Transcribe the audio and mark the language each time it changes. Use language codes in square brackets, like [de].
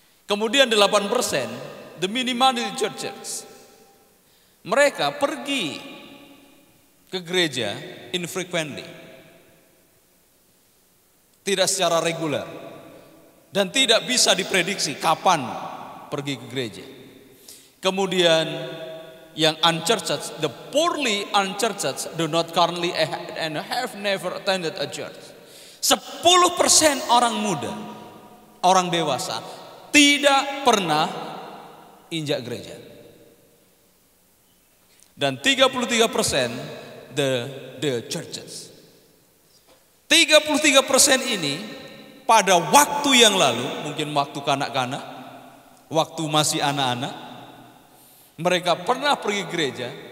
[id] Kemudian 8%, the minimally churches, mereka pergi ke gereja infrequently, tidak secara reguler. Dan tidak bisa diprediksi kapan pergi ke gereja. [en] Kemudian yang unchurched, the poorly unchurched do not currently and have never attended a church. [id] 10% orang muda, orang dewasa tidak pernah injak gereja. Dan 33% the churches. 33% ini pada waktu yang lalu, mungkin waktu kanak-kanak, waktu masih anak-anak, mereka pernah pergi gereja,